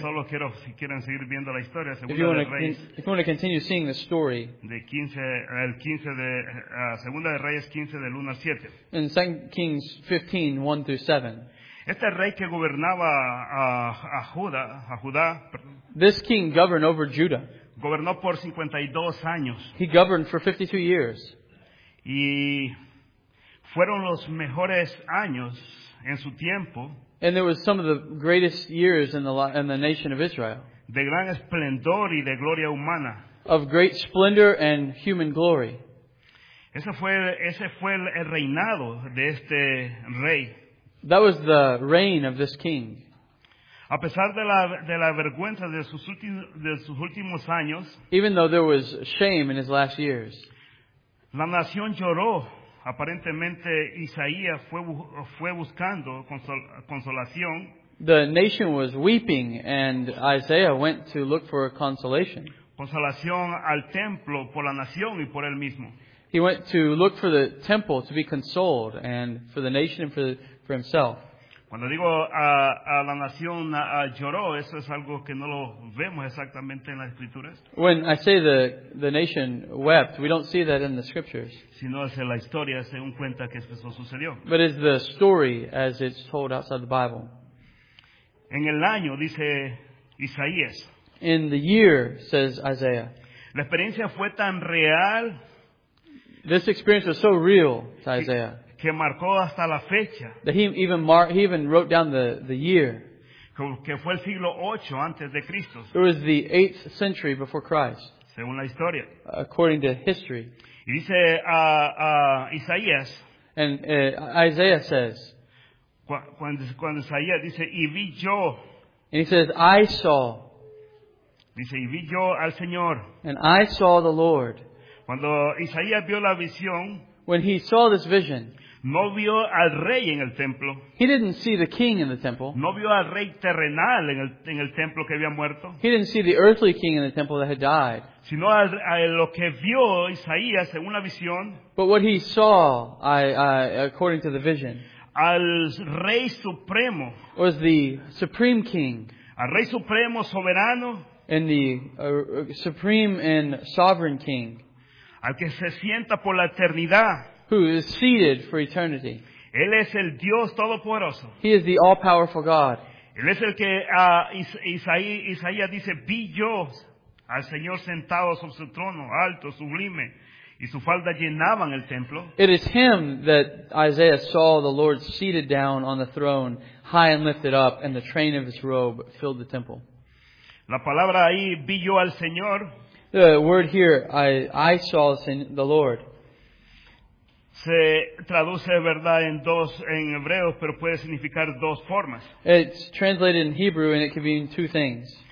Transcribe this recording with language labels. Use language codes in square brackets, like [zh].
[es] Solo quiero, si quieren seguir viendo la historia, [en] if you want to continue seeing the story. [es] Segunda de Reyes 15 del 1 al 7. [en] In 2 Kings 15, 1 through 7. [es] Este rey que gobernaba a Judá. [en] This king governed over Judah. [es] Gobernó por 52 años. [en] He governed for 52 years. [es] Y fueron los mejores años en su tiempo. [en] And there was some of the greatest years in the nation of Israel. [es] De gran esplendor y de gloria humana. [en] Of great splendor and human glory. [es] Ese fue el reinado de este rey. [en] That was the reign of this king. [es] A pesar de la vergüenza de sus últimos años, [en] even though there was shame in his last years, [es] la nación lloró. Aparentemente, Isaías fue buscando consolación. [en] The nation was weeping, and Isaiah went to look for consolation. [es] Consolación al templo por la nación y por él mismo. [en] He went to look for the temple to be consoled, and for the nation and for himself. [es] Cuando digo a la nación lloró, eso es algo que no lo vemos exactamente en las escrituras. [en] When I say the nation wept, we don't see that in the scriptures. [es] Sino es la historia según cuenta que eso sucedió. [en] But it's the story as it's told outside the Bible. [es] En el año, dice Isaías. [en] In the year, says Isaiah. [es] La experiencia fue tan real. [en] This experience was so real to Isaiah. [es] Que marcó hasta la fecha. [en] That he even wrote down the year. [es] Que fue el siglo 8 antes de Cristo. [en] It was the 8th century before Christ. [es] Según la historia. [en] According to history. [es] Y dice Isaías. [en] And Isaiah says. [es] Cuando Isaías dice, y vi yo. [en] And he says, I saw. [es] Dice, y vi yo al Señor. [en] And I saw the Lord. [es] Cuando Isaías vio la visión. [en] When he saw this vision. [es] No vio al rey en el templo. [en] He didn't see the king in the temple. [es] No vio al rey terrenal en el templo que había muerto. [en] He didn't see the earthly king in the temple that had died. [es] Sino a lo que vio Isaías en una visión. [en] But what he saw, according to the vision. [es] Al rey supremo. [en] Was the supreme king. [es] Al rey supremo soberano. [en] And the supreme and sovereign king. [es] Al que se sienta por la eternidad. [en] Who is seated for eternity. [es] Él es el Dios todopoderoso. [en] He is the all-powerful God. [es] Él es el que Isaías dice, vi yo al Señor sentado sobre su trono, alto, sublime, y su falda llenaban el templo. [en] It is him that Isaiah saw the Lord seated down on the throne, high and lifted up, and the train of his robe filled the temple. [es] La palabra ahí, vi yo al Señor. [en] The word here, I saw the Lord. [es] Se traduce, verdad, en dos en hebreo, pero puede significar dos formas. [en] It's translated in Hebrew and it can mean two things.